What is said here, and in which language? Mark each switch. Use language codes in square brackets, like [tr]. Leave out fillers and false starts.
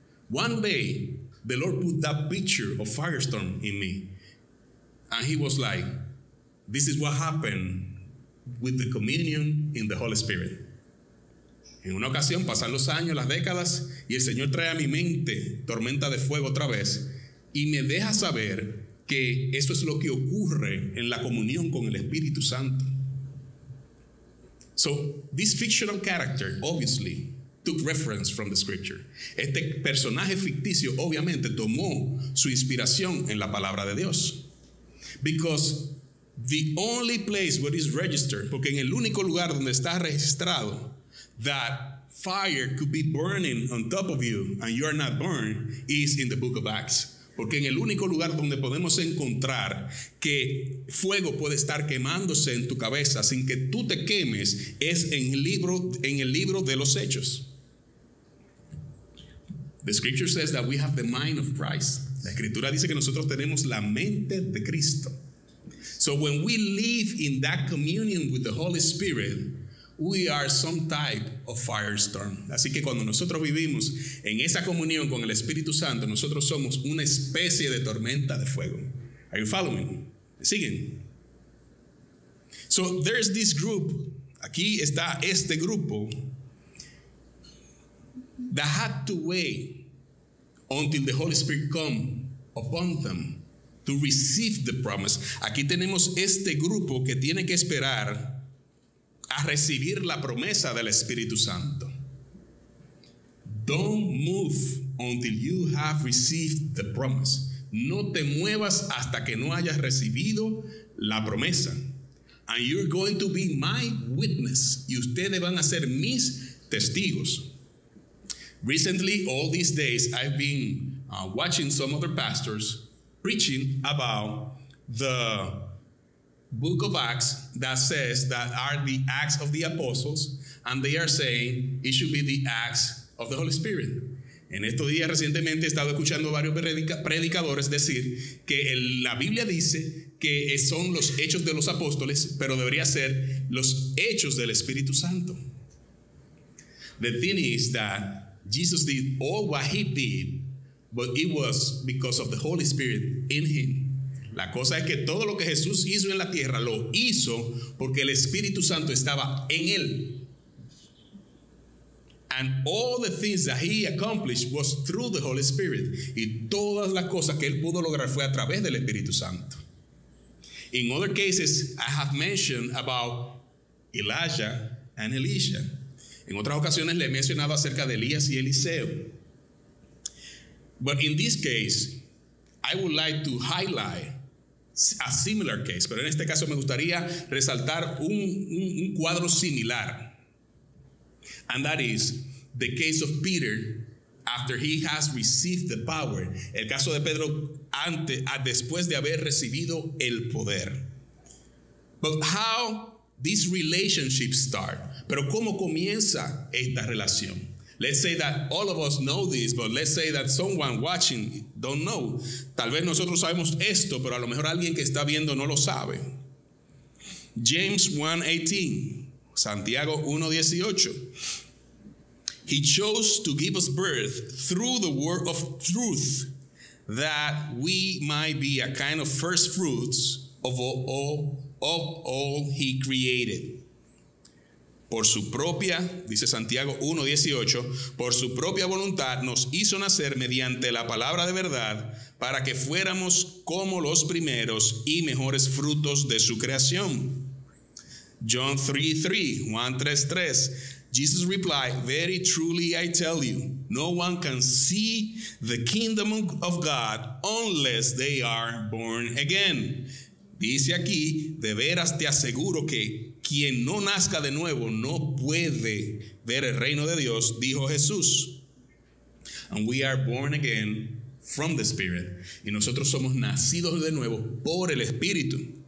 [en] One day, the Lord put that picture of Firestorm in me. And he was like, this is what happened with the communion in the Holy Spirit. [es] En una ocasión, pasan los años, las décadas, y el Señor trae a mi mente tormenta de fuego otra vez, y me deja saber que eso es lo que ocurre en la comunión con el Espíritu Santo. [en] So, this fictional character, obviously, took reference from the scripture. [es] Este personaje ficticio, obviamente, tomó su inspiración en la palabra de Dios. [en] Because the only place where it's registered, [es] porque en el único lugar donde está registrado, [en] that fire could be burning on top of you and you are not burned, is in the book of Acts. [es] Porque en el único lugar donde podemos encontrar que fuego puede estar quemándose en tu cabeza sin que tú te quemes, es en el libro de los Hechos. [en] The scripture says that we have the mind of Christ. [es] La escritura dice que nosotros tenemos la mente de Cristo. [en] So when we live in that communion with the Holy Spirit, we are some type of firestorm. [es] Así que cuando nosotros vivimos en esa comunión con el Espíritu Santo, nosotros somos una especie de tormenta de fuego. [en] Are you following? [es] Siguen. [en] So there's this group. [es] Aquí está este grupo [en] that had to wait until the Holy Spirit come upon them to receive the promise. [es] Aquí tenemos este grupo que tiene que esperar a recibir la promesa del Espíritu Santo. [en] Don't move until you have received the promise. [es] No te muevas hasta que no hayas recibido la promesa. [en] And you're going to be my witness. [es] Y ustedes van a ser mis testigos. [en] Recently, all these days, I've been watching some other pastors preaching about the book of Acts that says that are the Acts of the Apostles, and they are saying it should be the Acts of the Holy Spirit. [es] En estos días recientemente he estado escuchando varios predicadores decir que la Biblia dice que son los hechos de los apóstoles, pero debería ser los hechos del Espíritu Santo. [en] The thing is that Jesus did all what he did, but it was because of the Holy Spirit in him. [es] La cosa es que todo lo que Jesús hizo en la tierra lo hizo porque el Espíritu Santo estaba en él. [en] And all the things that he accomplished was through the Holy Spirit. [es] Y todas las cosas que él pudo lograr fue a través del Espíritu Santo. [en] In other cases, I have mentioned about Elijah and Elisha. [es] En otras ocasiones le he mencionado acerca de Elías y Eliseo. [en] But in this case, I would like to highlight a similar case, [es] pero en este caso me gustaría resaltar un cuadro similar, [en] and that is the case of Peter after he has received the power. [es] El caso de Pedro después de haber recibido el poder. [en] But how this relationship start? [es] Pero ¿cómo comienza esta relación? [en] Let's say that all of us know this, but let's say that someone watching don't know. [es] Tal vez nosotros sabemos esto, pero a lo mejor alguien que está viendo no lo sabe. [en] James 1:18, Santiago 1:18. He chose to give us birth through the word of truth, that we might be a kind of first fruits of all he created. [es] Por su propia, dice Santiago 1:18, por su propia voluntad nos hizo nacer mediante la palabra de verdad para que fuéramos como los primeros y mejores frutos de su creación. [en] John 3:3, Jesus replied, very truly I tell you, no one can see the kingdom of God unless they are born again. [es] Dice aquí, de veras te aseguro que quien no nazca de nuevo no puede ver el reino de Dios, dijo Jesús. [en] And we are born again from the Spirit. [es] Y nosotros somos nacidos de nuevo por el Espíritu.